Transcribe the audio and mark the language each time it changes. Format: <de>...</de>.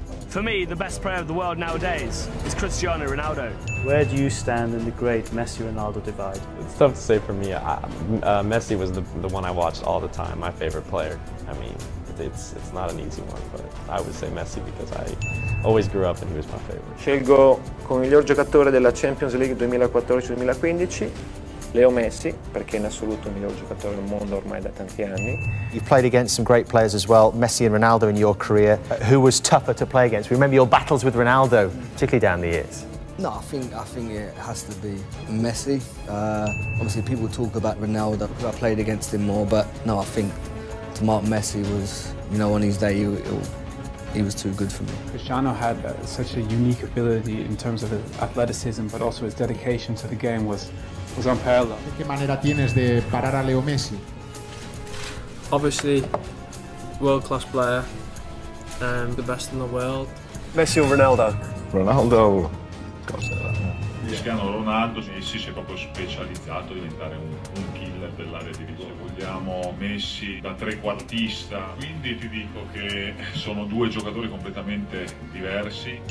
<en>For me, the best player of the world nowadays is Cristiano Ronaldo. Where do you stand in the great Messi-Ronaldo divide? It's tough to say for me. Messi was the one I watched all the time, my favorite player. I mean, it's not an easy one, but I would say Messi because I always grew up and he was my favorite.</en> <it>Scelgo come miglior giocatore della Champions League 2014-2015 Leo Messi, perché in assoluto il miglior giocatore del mondo ormai da tanti anni.</it> <en>You played against some great players as well, Messi and Ronaldo in your career. Who was tougher to play against? We remember your battles with Ronaldo, particularly down the years. No, I think it has to be Messi. Obviously, people talk about Ronaldo because I played against him more, but no, I think to mark Messi was, you know, on his day, he was too good for me. Cristiano had such a unique ability in terms of his athleticism, but also his dedication to the game was unparalleled.</en> <es>¿Qué manera tienes de parar a Leo Messi?</es> <en>Obviously, world-class player, the best in the world. Messi or Ronaldo? Ronaldo.</en> <it>Cristiano Ronaldo, Messi si è proprio specializzato a diventare un killer dell'area di rigore. Vogliamo Messi da trequartista, quindi ti dico che sono due giocatori completamente diversi.</it>